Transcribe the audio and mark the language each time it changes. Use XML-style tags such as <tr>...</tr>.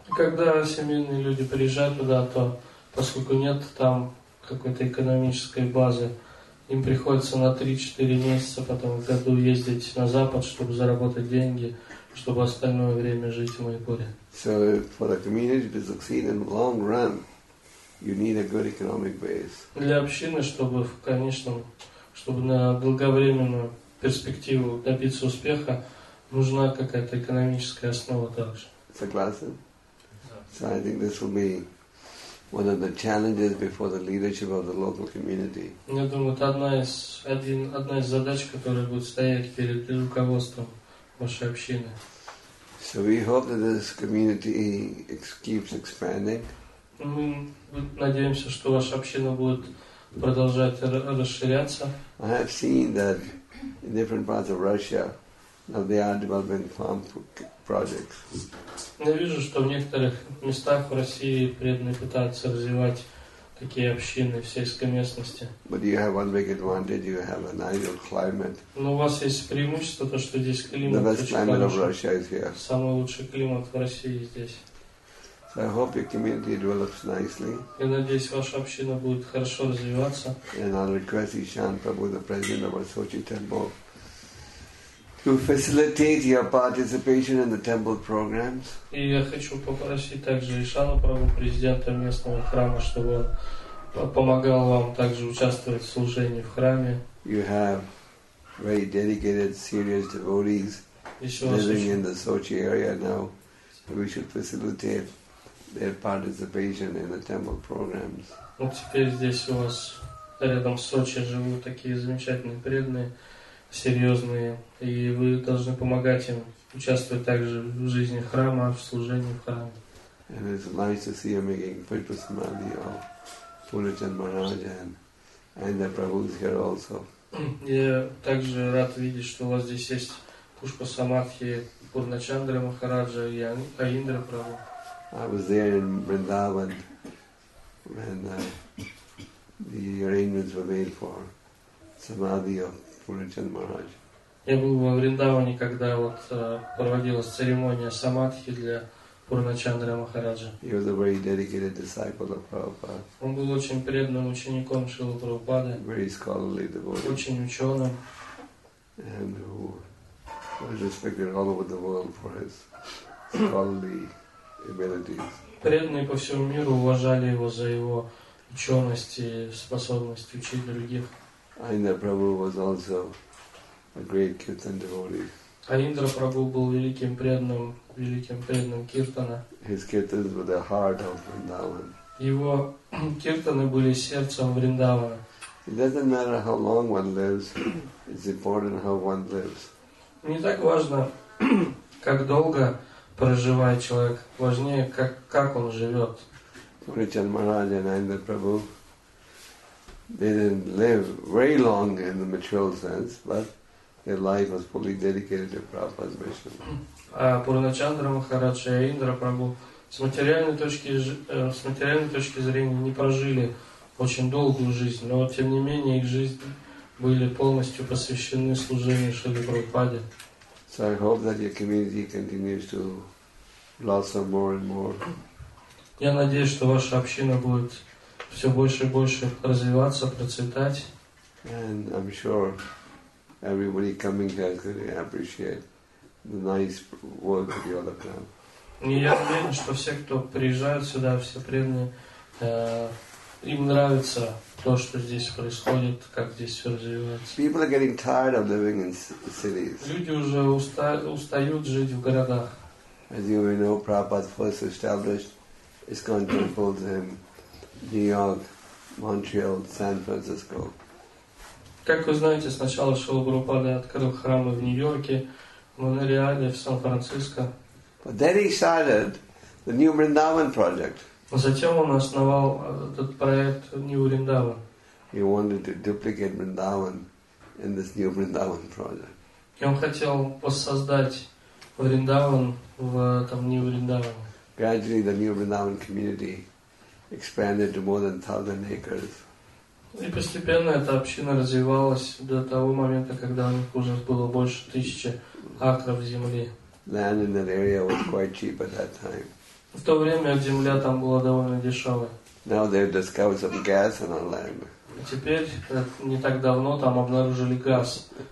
<ru>Когда семейные люди приезжают туда, то поскольку нет там какой-то экономической базы, им приходится на 3-4 месяца потом в году ездить на Запад, чтобы заработать деньги, чтобы остальное время жить в Майпуре.</ru> <en>So for the community to succeed in the long run, you need a good economic base.</en> <ru>Для общины, чтобы в конечном, чтобы на долговременную перспективу добиться успеха, нужна какая-то экономическая основа также. Согласен?</ru> <en>So I think this will be one of the challenges before the leadership of the local community.</en> <ru>Я думаю, это одна из задач, которая будет стоять перед руководством вашей общины.</ru> <en>So we hope that this community keeps expanding.</en> <ru>Мы надеемся, что ваша община будет продолжать расширяться.</ru> <en>I have seen that in different parts of Russia, now they are developing farm projects.</en> <ru>Я вижу, что в некоторых местах в России преданные пытаются развивать такие общины в сельской местности.</ru> <en>But you have one big advantage, you have an ideal climate.</en> <ru>Но у вас есть преимущество, то, что здесь климат очень хороший.</ru> <en>The best climate of Russia is here.</en> <ru>Самый лучший климат в России здесь.</ru> <en>So I hope your community develops nicely.</en> <ru>Я надеюсь, ваша община будет хорошо развиваться.</ru> <en>And I'll request Ishan Prabhu, the president of our Sochi Temple, to facilitate your participation in the temple programs.</en> <ru>И я хочу попросить также Ишану Прабу, президента местного храма, чтобы он помогал вам также участвовать в служении в храме.</ru> <en>You have very dedicated, serious devotees living in the Sochi area now. We should facilitate their participation in the temple programs.</en> <ru>Вот теперь здесь у вас рядом в Сочи живут такие замечательные преданные, серьезные, и вы должны помогать им участвовать также в жизни храма, в служении в храме.</ru> <en>And it's nice to see you making Pritpasamadhi of Purachan Maharaj and the Prabhu's here also.</en> <ru>Я также рад видеть, что у вас здесь есть Пушпасамадхи Пурначандра Махараджа и Аиндра Прабху.</ru> <en>I was there in Vrindavan when the arrangements were made for Samadhi of</en> <ru>Я был во Вриндаване, когда вот проводилась церемония самадхи для Пурначандры Махараджа.</ru> <en>He was a very dedicated disciple of Prabhupada.</en> <ru>Он был очень преданным учеником Шрилы Прабхупады.</ru> <en>Very scholarly devotee.</en> <ru>Очень ученым.</ru> <en>And who was respected all over the world for his scholarly abilities.</en> <ru>Преданные по всему миру уважали его за его ученость и способность учить других.</ru> <en>Аиндра Прабху was also a great kirtan devotee.</en> <ru>Аиндра Прабху был великим преданным киртана.</ru> <en>His kirtans were the heart of Vrindavan.</en> <ru>Его киртаны были сердцем Вриндавана.</ru> <en>It doesn't matter how long one lives, it's important how one lives.</en> <ru>Не так важно, как долго проживает человек, важнее, как он живет.</ru> <en>Пуричан Махарадж и Аиндра Прабху, they didn't live very long in the material sense, but their life was fully dedicated to Prabhupada's mission.</en> <ru>Пурначандра Махарадж и Аиндра Прабху с материальной точки зрения не прожили очень долгую жизнь, но тем не менее их жизни были полностью посвящены служению Шриле Прабхупаде.</ru> <en>So I hope that your community continues to blossom more and more.</en> <ru>Я надеюсь, что ваша община будет все больше и больше развиваться, процветать.</ru> <en>And I'm sure everybody coming here is going to appreciate the nice work of your program.</en> <ru>И я уверен, что все, кто приезжают сюда, все преданные, им нравится то, что здесь происходит, как здесь все развивается.</ru> <en>People are getting tired of living in cities.</en> <ru>Люди уже устают жить в городах.</ru> <en>As you know, Prabhupada first established his temples in New York, Montreal, San Francisco.</en> <ru>Как вы знаете, сначала Шрила Прабхупада открыл храмы в Нью-Йорке, в Монреале, в Сан-Франциско.</ru> <en>But then he started the New Vrindavan project.</en> <ru>Но затем он основал этот проект New Vrindavan.</ru> <en>He wanted to duplicate Vrindavan in this New Vrindavan project.</en> <ru>И он хотел воссоздать Вриндаван в этом New Vrindavan.</ru> <en>Gradually, the New Vrindavan community expanded to more than 1,000 acres.</en> <ru>И постепенно эта община развивалась до того момента, когда у них уже было больше 1,000 акров земли.</ru> <en>Land in that area was quite cheap at that time.</en> <ru>В то время земля там была довольно дешевая.</ru> <en>Now they've discovered some gas in our land.</en> <ru>Теперь не так давно там обнаружили газ</ru>